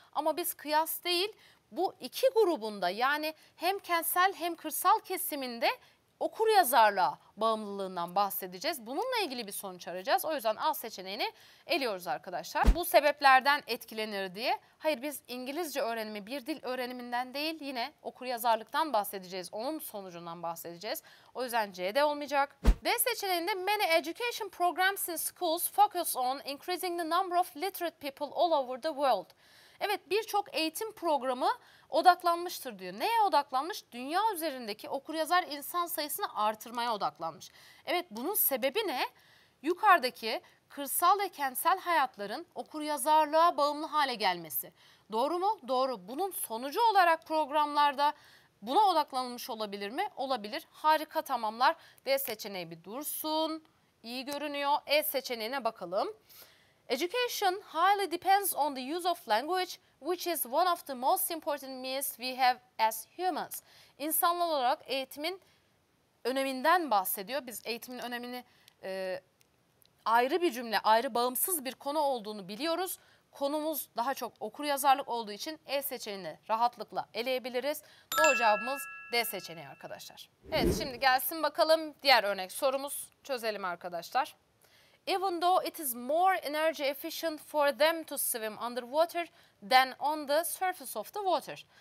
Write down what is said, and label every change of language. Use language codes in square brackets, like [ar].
[tr] Ama biz kıyas değil, bu iki grubunda yani hem kentsel hem kırsal kesiminde okuryazarlığa bağımlılığından bahsedeceğiz. Bununla ilgili bir sonuç arayacağız. O yüzden A seçeneğini eliyoruz arkadaşlar. Bu sebeplerden etkilenir diye. Hayır, biz İngilizce öğrenimi bir dil öğreniminden değil, yine okuryazarlıktan bahsedeceğiz. Onun sonucundan bahsedeceğiz. O yüzden C'de olmayacak. D seçeneğinde [en] many education programs in schools focus on increasing the number of literate people all over the world. [tr] Evet, birçok eğitim programı odaklanmıştır diyor. Neye odaklanmış? Dünya üzerindeki okuryazar insan sayısını artırmaya odaklanmış. Evet, bunun sebebi ne? Yukarıdaki kırsal ve kentsel hayatların okuryazarlığa bağımlı hale gelmesi. Doğru mu? Doğru. Bunun sonucu olarak programlarda buna odaklanılmış olabilir mi? Olabilir. Harika, tamamlar. D seçeneği bir dursun. İyi görünüyor. E seçeneğine bakalım. [en] Education highly depends on the use of language, which is one of the most important means we have as humans. [tr] İnsanlar olarak eğitimin öneminden bahsediyor. Biz eğitimin önemini ayrı bir cümle, ayrı bağımsız bir konu olduğunu biliyoruz. Konumuz daha çok okuryazarlık olduğu için E seçeneğini rahatlıkla eleyebiliriz. Doğru cevabımız D seçeneği arkadaşlar. Evet, şimdi gelsin bakalım diğer örnek sorumuz, çözelim arkadaşlar. [en] Even though it is more energy efficient for them to swim underwater than on the surface of the water.